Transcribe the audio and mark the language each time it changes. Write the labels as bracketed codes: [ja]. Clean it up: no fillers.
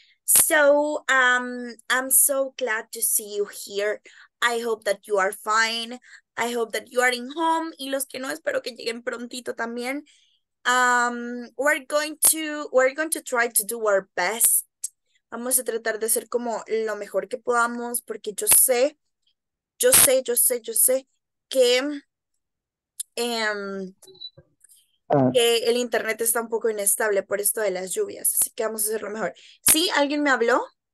[en] So, I'm so glad to see you here. I hope that you are fine. I hope that you are in home. [es] Y los que no, espero que lleguen prontito también. [en] We're going to try to do our best. [es] Vamos a tratar de hacer como lo mejor que podamos, porque yo sé que el internet está un poco inestable por esto de las lluvias, así que vamos a hacerlo mejor. ¿Sí? ¿Alguien me habló?